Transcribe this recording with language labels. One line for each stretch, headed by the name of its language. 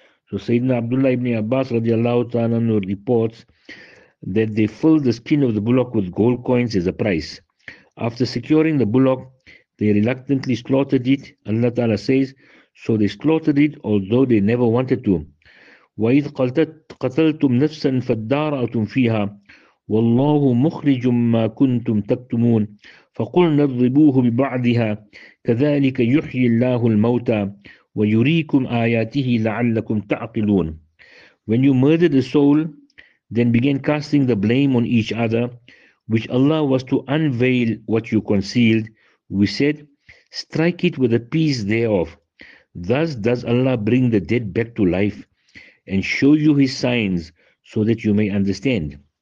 English: So Sayyidina Abdullah ibn Abbas radiallahu ta'ala reports that they filled the skin of the bullock with gold coins as a price. After securing the bullock, they reluctantly slaughtered it. Allah ta'ala says, so they slaughtered it, although they never wanted to.
Arabic: وَإِذْ قَتَلْتُمْ نَفْسًا فَالدَّارَ أَوْتُمْ فِيهَا والله مخرج ما كنتم تكتمون فقلنا اضربوه ببعضها كذلك يحيي الله الموتى ويريكم آياته لعلكم تعقلون.
English: When you murdered the soul, then began casting the blame on each other, which Allah was to unveil what you concealed. We said, strike it with a piece thereof. Thus does Allah bring the dead back to life and show you his signs so that you may understand.